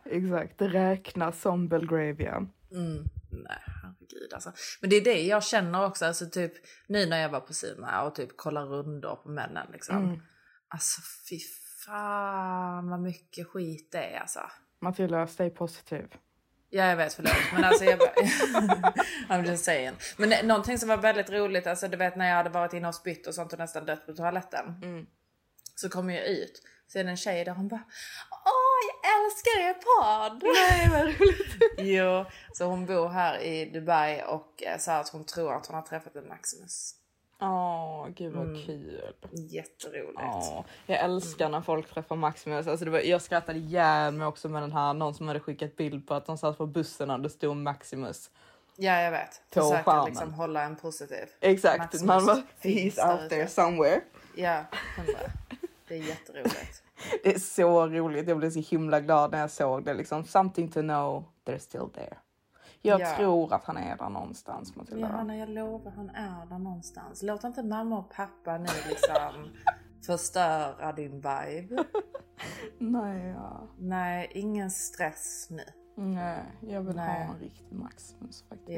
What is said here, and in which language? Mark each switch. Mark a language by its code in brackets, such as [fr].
[sv] Exakt, det räknas som Belgravia. Mm. Nej, herregud alltså. Men det är det jag känner också, alltså typ nu när jag var på Sina och typ kollar runt på männen liksom. Mm. Alltså fy fan vad mycket skit det är alltså. [en] Matilda, stay positive. [sv] Ja, jag vet, förlåt. Men alltså jag bara, [en] I'm just saying. [sv] Men någonting som var väldigt roligt, alltså du vet när jag hade varit inne och spytt och sånt och nästan dött på toaletten. Mm. Så kom jag ut. Så är det en tjej där, hon bara, åh, jag älskar er podd. Nej, vad roligt. Jo, så hon bor här i Dubai och sa att hon tror att hon har träffat en Maximus. Åh, gud vad kul. Jätteroligt. Åh, jag älskar när folk träffar Maximus. Alltså, jag skrattade jävligt mig också med den här, någon som hade skickat bild på att de satt på bussen och det stod Maximus. Ja, jag vet. Försöka liksom hålla en positiv. Exakt, Maximus. Man bara, [en] he's out there somewhere. [sv] Ja, hon bara. Det är jätteroligt. Det är så roligt. Jag blev så himla glad när jag såg det. Liksom, [en] something to know, they're still there. [sv] Jag tror att han är där någonstans. Ja, jag lovar att han är där någonstans. Låt inte mamma och pappa nu liksom förstöra din vibe. Nej, ja. Nej, ingen stress nu. Nej, jag vill ha en riktig Maximus faktiskt.